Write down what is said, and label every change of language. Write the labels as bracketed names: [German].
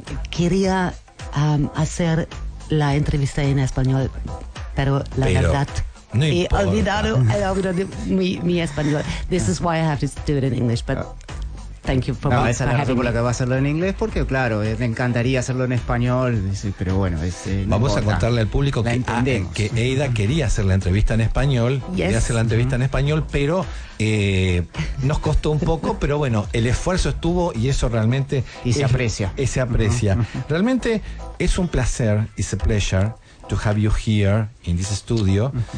[Spanish] Quería hacer la entrevista en español, pero la verdad... No importa. Y olvidado mi español. [English] This is why I have to do it in English, but thank you for having me. [Spanish] No, esa es la razón por la que va a hacerlo en inglés, porque claro, me encantaría hacerlo en español, pero bueno, vamos a contarle al público que Eida quería hacer la entrevista en español, en español, pero nos costó un poco, pero bueno, el esfuerzo estuvo y eso realmente... Se aprecia. Realmente es un placer, [English] it's a pleasure, to have you here in this studio.